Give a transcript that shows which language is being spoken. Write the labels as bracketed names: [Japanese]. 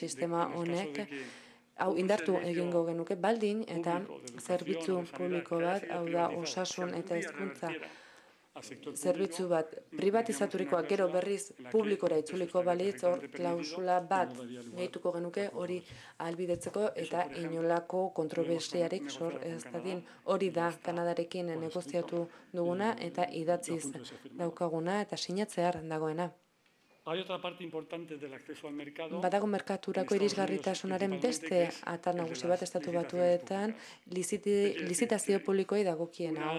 [Basque] Sistema honek hau indartu egingo genuke baldin eta zerbitzu publiko bat, hau da osasun eta hezkuntza zerbitzu bat pribatizaturikoa gero berriz publikora itzuliko balitz, hor klausula bat gehituko genuke hori albidetzeko eta inolako kontrobersiarik sor ez dadin. Hori da Kanadarekin negoziatu duguna eta idatziz daukaguna eta sinatzear dagoena. [Spanish] Hay otra parte importante del acceso al mercado. [Basque] Badago merkaturako irisgarritasunaren beste atal nagusi bat Estatu Batuetan, lizitazio publikoei dagokiena.